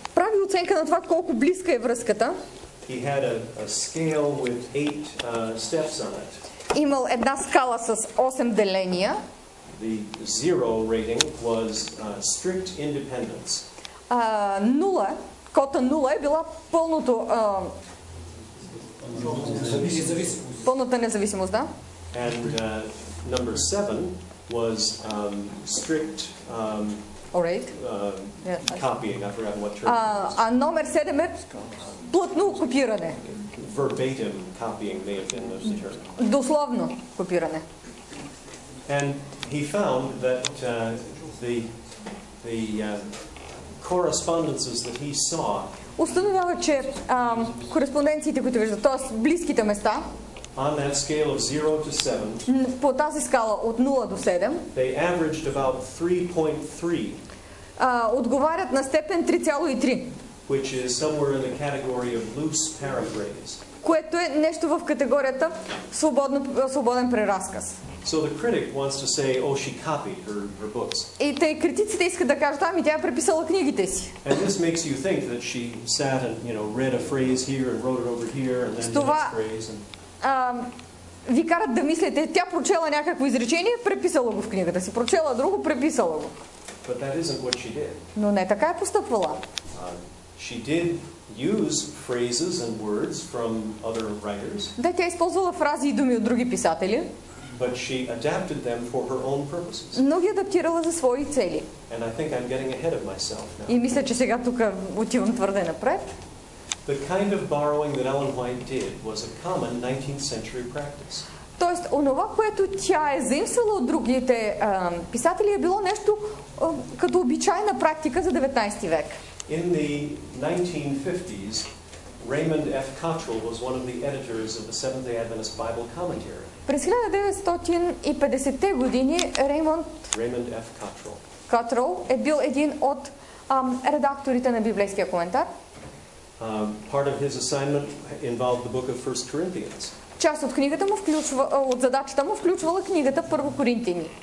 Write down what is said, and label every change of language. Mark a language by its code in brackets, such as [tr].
[bg] Прави оценка на това колко близка е връзката. [en] He had a scale with 8 steps on it. [bg] Имал една скала с 8 деления. [en] The zero rating was strict independence. [bg] Нула, кота нула е била пълното Пълната независимост, да. [en] And number 7 was strict copying. I forgot what term. [bg] А номер 7 е плътно копиране. [en] Verbatim copying may have been the term. [bg] Дословно копиране. [en] And he found that the correspondences that he saw. [bg] Установява, че кореспонденциите, които вижда, т.е. близките места, [en] on that scale of 0 to 7, [bg] по тази скала от 0 до 7, [en] they averaged about 3.3, [bg] отговарят на степен 3.3, [en] which is somewhere in the category of loose paraphrase, [bg] което е нещо в категорията свободен преразказ. [en] So the critic wants to say, oh, she copied her books. [bg] И тъй критиците искат да кажат, ами тя е преписала книгите си. [en] And this makes you think that she sat and, you know, read a phrase here and wrote it over here and then [bg] това, [en] the next phrase. And... [bg] Ви карат да мислите, тя прочела някакво изречение, преписала го в книгата си, прочела друго, преписала го. [en] But that isn't what she did. [bg] Но не така е постъпвала. [en] She did use phrases and words from other writers. [bg] Да, тя използвала фрази и думи от други писатели. [en] But she adapted them for her own purposes. [bg] Но ги адаптирала за свои цели. [en] And I think I'm getting ahead of myself now. [bg] И мисля, че сега тук отивам твърде напред. [en] The kind of borrowing that Ellen White did was a common 19th century practice. [bg] Тоест, онова, което тя е заимствала от другите писатели, е било нещо като обичайна практика за 19-ти век. [en] In the 1950s, Raymond F. Cottrell was one of the editors of the Seventh-day Adventist Bible Commentary. [bg] През 1950-те години Raymond F. Cottrell. Cottrell е бил един от редакторите на библейския коментар. [en] Part of his assignment involved the book of 1 Corinthians. [bg] Част от книгата му включва от задачата му включвала книгата Първо Коринтини.